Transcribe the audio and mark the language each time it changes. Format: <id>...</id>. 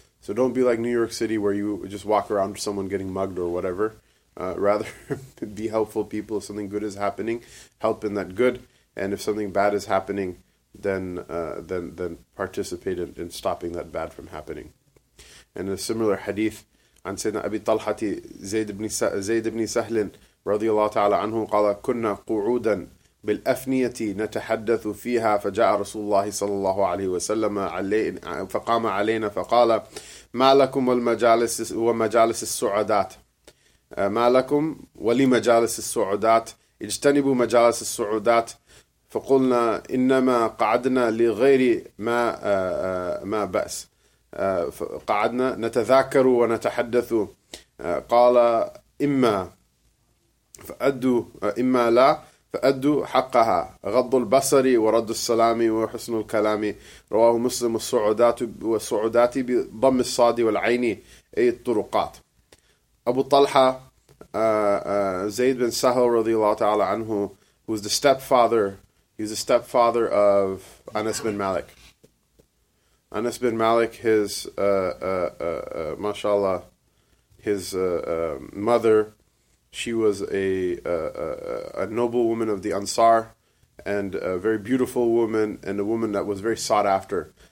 <en>So don't be like New York City, where you just walk around someone getting mugged or whatever. Rather, be helpful people. If something good is happening, help in that good. And if something bad is happening, then participate in stopping that bad from happening. And a similar hadith,</en> <ar>عن سيدنا أبي طلحة زيد بن سهل رضي الله تعالى عنه قال كنا قعودا بالأفنية نتحدث فيها فجاء رسول الله صلى الله عليه وسلم فقام علينا فقال ما لكم والمجالس ومجالس السعدات ما لكم ولمجالس السعدات اجتنبوا مجالس السعدات فقلنا إنما قعدنا لغير ما بأس قعدنا نتذاكر ونتحدث قال إما فأدوا إما لا فأدوا حقها غض البصر ورد السلام وحسن الكلام رواه مسلم والسعدات بضم الصاد والعين أي الطرقات. أبو طلحة</ar> <en>Zayd bin Sahal radiallahu ta'ala anhu, who was the stepfather, he's the stepfather of Anas bin Malik. Anas bin Malik, his, mashallah, his mother, she was a noble woman of the Ansar, and a very beautiful woman, and a woman that was very sought after.</en>